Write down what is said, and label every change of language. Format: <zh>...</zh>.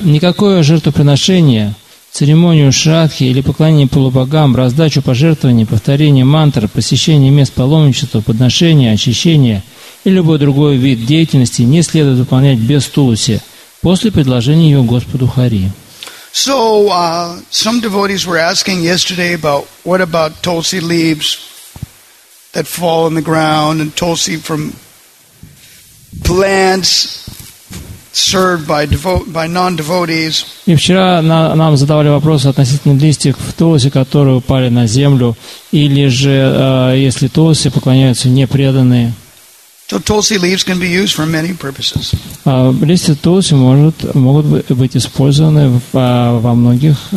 <ru>Никакое жертвоприношение, церемонию шрадхи или поклонение полубогам, раздачу пожертвований, повторение мантр, посещение мест паломничества, подношение, очищение и любой другой вид деятельности не следует выполнять без Туласи. после предложения ее Господу Хари.</ru> <en>So, some devotees were asking yesterday about what about Tulsi leaves that fall on the ground and Tulsi from plants served by non-devotees.</en> <ru>И вчера нам задавали вопрос относительно листьев Тулси, которые упали на землю, или же если Тулси поклоняются непреданные.</ru> <en>So Tulsi leaves can be used for many purposes.</en> <ru>Листья Тулси могут быть использованы во многих</ru>